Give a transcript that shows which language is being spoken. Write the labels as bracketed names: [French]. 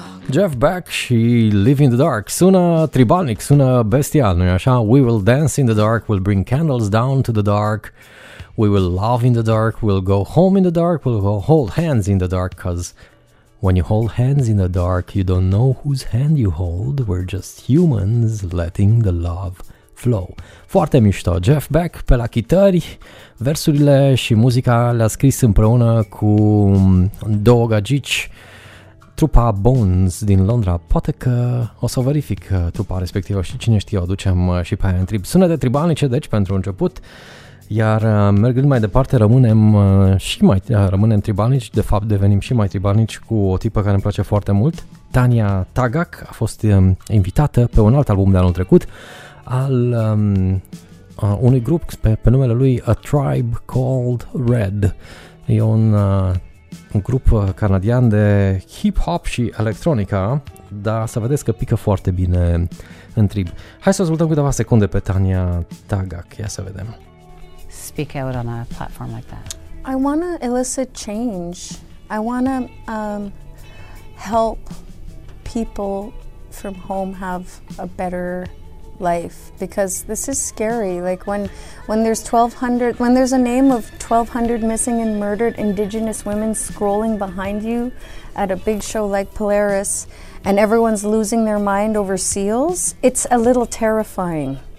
[Romanian] Jeff Beck și Live in the Dark. Sună tribalnic, sună bestial, nu-i așa? [English] We will dance in the dark, we'll bring candles down to the dark. We will love in the dark, we'll go home in the dark, we'll go hold hands in the dark. Cause when you hold hands in the dark, you don't know whose hand you hold. We're just humans letting the love flow. [Romanian] Foarte mișto, Jeff Beck pe la chitări. Versurile și muzica le-a scris împreună cu două gagici, trupa Bones din Londra. Poate că o să verific trupa respectivă și cine știe, o ducem și pe aia în trip. Sunete tribalnice, deci, pentru început, iar mergând mai departe, rămânem tribalnici, de fapt devenim și mai tribalnici cu o tipă care îmi place foarte mult. Tania Tagac a fost invitată pe un alt album de anul trecut al unui grup pe numele lui A Tribe Called Red. E un grup canadian de hip-hop și electronica, dar să vedeți că pică foarte bine în trib. Hai să ascultăm câteva secunde pe Tania Tagac. Ia să vedem. [English] Speak out on a platform like that. I want to elicit change. I want to help people from home have a better life, because this is scary. Like when there's a name of 1200 missing and murdered Indigenous women scrolling behind you at a big show like Polaris, and everyone's losing their mind over seals, it's a little terrifying.